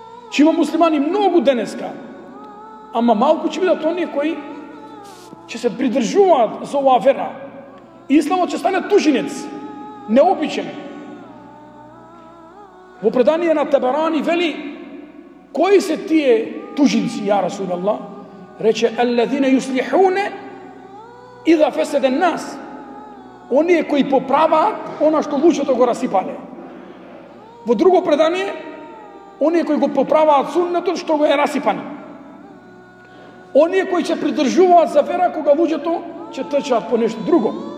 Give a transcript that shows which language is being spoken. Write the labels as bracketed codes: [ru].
[mk] Чи има муслимани многу денеска, ама малку ќе бидат оние кои ќе се придржуваат за оваа вера. Исламот ќе стане тужинец, необичен. Во предание на Табарани вели: кои се тие тужинци, [ar] ја Расул Аллах? Рече: аллазина јуслихуне иза феседен нас. [mk] Оние кои поправаат она што луѓето го расипале. Во друго предание, оние кои го поправаат суннетот што го е расипан. Оние кои се придржуваат за вера кога луѓето ќе трчаат по нешто друго.